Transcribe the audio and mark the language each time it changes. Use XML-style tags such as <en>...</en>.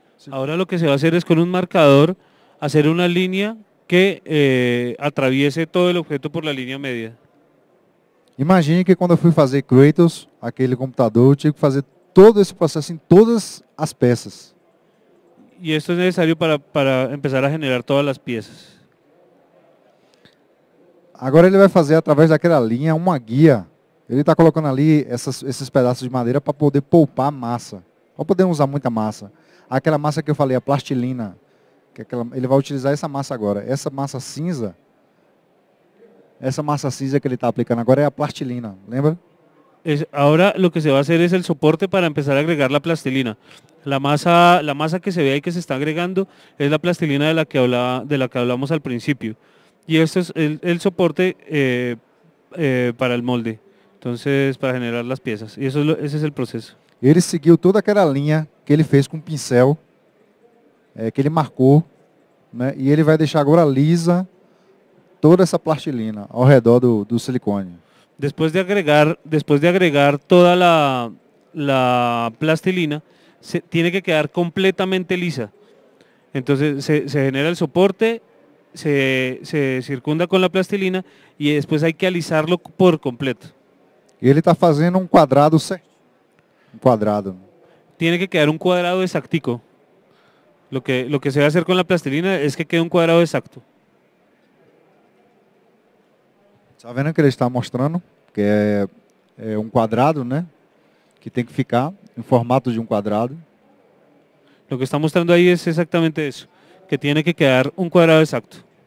<pt>Agora o que se vai fazer é com um marcador, fazer uma linha</pt> <es>que atraviese todo el objeto por la línea media.</es> <pt>Imagine que cuando fui fazer Kratos, aquele computador, tive que fazer todo esse processo em todas as peças.</pt> <es>Y esto es necesario para empezar a generar todas las piezas.</es> <pt>Agora ele vai fazer através daquela linha uma guia. Ele está colocando ali esses pedaços de madeira para poder poupar massa. Para poder usar muita massa. Aquela massa que eu falei, a plastilina. Que é aquela, ele vai utilizar essa massa agora. Essa massa cinza que ele está aplicando agora é a plastilina. Lembra? Agora o que se vai fazer é o suporte para começar a agregar a plastilina.</pt> <es>La masa que se ve ahí que se está agregando es la plastilina de la que hablamos al principio. Y esto es el soporte para el molde, entonces para generar las piezas. Y ese es el proceso. Él siguió toda aquella línea que él fez con pincel, que él marcó, ¿no? Y él va a dejar ahora lisa toda esa plastilina alrededor del silicone. Después de agregar toda la plastilina, tiene que quedar completamente lisa. Entonces se genera el soporte, se circunda con la plastilina y después hay que alisarlo por completo. Y él está haciendo un cuadrado, ¿sí? Un cuadrado. Tiene que quedar un cuadrado exactico. Lo que se va a hacer con la plastilina es que quede un cuadrado exacto. ¿Está viendo que le está mostrando? Que es un cuadrado, ¿no?</es> <pt>Que tem que ficar em formato de um quadrado. O que está mostrando aí é exatamente isso, que tem que quedar um quadrado exato.</pt>